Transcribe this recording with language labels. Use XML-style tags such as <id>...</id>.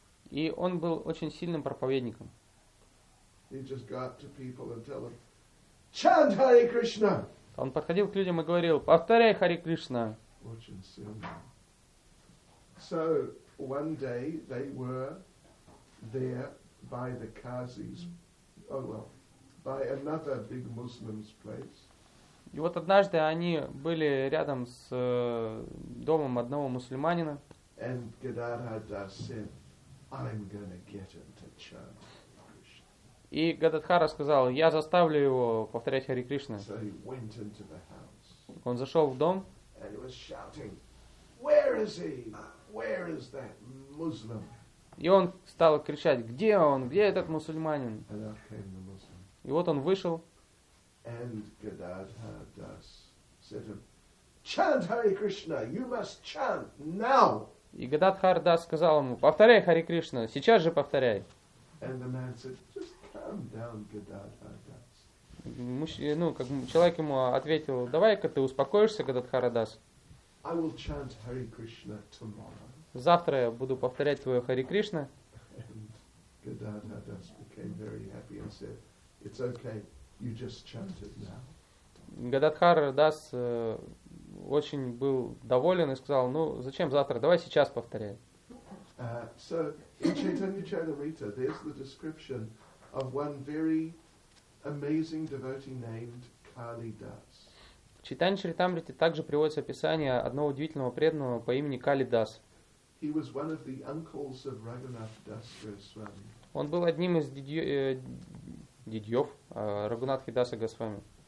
<ru>И он был очень сильным проповедником. Он подходил к людям и говорил, повторяй Хари Кришна. Очень сильно.</ru> <en>So, one day they were there by the Qazi's, by another big Muslim's place.</en> <ru>И вот однажды они были рядом с домом одного мусульманина.</ru> <en>And Gadadhar Das said, I'm gonna get him to chant.</en> <ru>И Гададхара сказал, я заставлю его повторять Хари Кришна.</ru> <en>So he went into the house.</en> <ru>Он зашел в дом.</ru> <en>And he was shouting, where is he? Where is that Muslim?</en> <ru>И он стал кричать, где он? Где этот мусульманин? И вот он вышел.</ru> <en>And Gadadhar Das said to him, chant Hare Krishna, you must chant now.</en> <ru>И Гададхар Дас сказал ему, повторяй Хари Кришна, сейчас же повторяй.</ru> <en>And the man said, just calm down, Gadadhar Das.</en> <ru>Человек ему ответил, давай-ка ты успокоишься, Гададхар Дас.</ru> <en>I will chant Hare Krishna tomorrow.</en> <ru>Завтра я буду повторять твое Хари Кришна.</ru> <en>And Gadadhar Das became very happy and said, it's okay, you just chant it now.</en> <ru>Гададхар Дас очень был доволен и сказал, зачем завтра, давай сейчас повторяй.</ru> <en>So, in Chaitanya Charitamrita, there's the description of one very amazing devotee named Kali Das.</en> <ru>В Чайтанья Чаритамрите также приводится описание одного удивительного преданного по имени Кали Дас.</ru> <en>He was one of the uncles of Raghunath Das Goswami.</en> <ru>Он был одним из Дидьёв, Рагунатхи Даса Госвами.</ru>